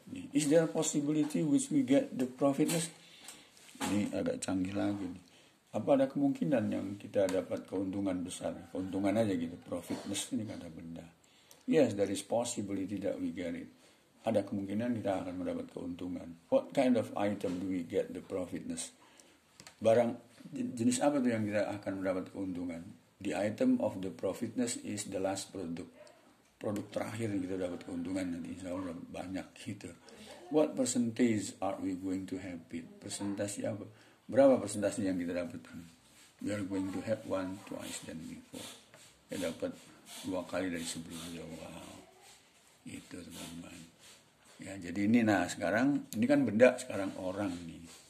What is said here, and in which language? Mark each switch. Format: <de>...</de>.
<en>Is there a possibility which we get the profitless?</en> <id>Ini agak canggih lagi nih. Apa ada kemungkinan yang kita dapat keuntungan besar? Keuntungan aja gitu, profitless ini kata benda.</id> <en>Yes, there is possibility that we get it.</en> <id>Ada kemungkinan kita akan mendapat keuntungan.</id> <en>What kind of item do we get the profitness?</en> <id>Barang jenis apa tuh yang kita akan mendapat keuntungan?</id> <en>The item of the profitness is the last product.</en> <id>Produk terakhir yang kita dapat keuntungan nanti insya Allah banyak gitu.</id> <en>What percentage are we going to have it?</en> <id>Persentase apa? Berapa persentase yang kita dapatkan?</id> <en>We are going to have one, twice than before.</en> <id>Ya dapat dua kali dari sebelumnya. Wow. Itu teman-teman. Ya, jadi ini nah sekarang ini kan benda sekarang orang nih.</id>